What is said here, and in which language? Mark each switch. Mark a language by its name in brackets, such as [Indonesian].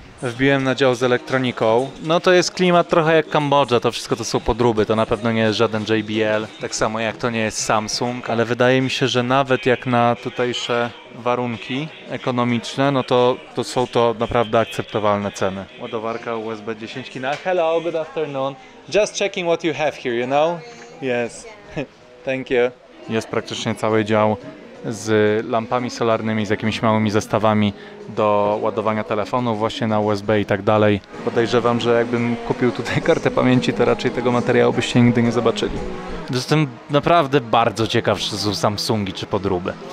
[Polish] Wbiłem na dział z elektroniką. No to jest klimat trochę jak Kambodża, to wszystko to są podróby, to na pewno nie jest żaden JBL, tak samo jak to nie jest Samsung, ale wydaje mi się, że nawet jak na tutejsze warunki ekonomiczne, no to są to naprawdę akceptowalne ceny. Ładowarka USB 10 kina. [English] Hello, good afternoon. Just checking what you have here, you know? Yes. Thank you. [Polish] Jest praktycznie cały dział z lampami solarnymi, z jakimiś małymi zestawami do ładowania telefonu właśnie na USB i tak dalej. Podejrzewam, że jakbym kupił tutaj kartę pamięci, to raczej tego materiału byście nigdy nie zobaczyli. Jestem naprawdę bardzo ciekaw, czy są Samsungi czy podróby.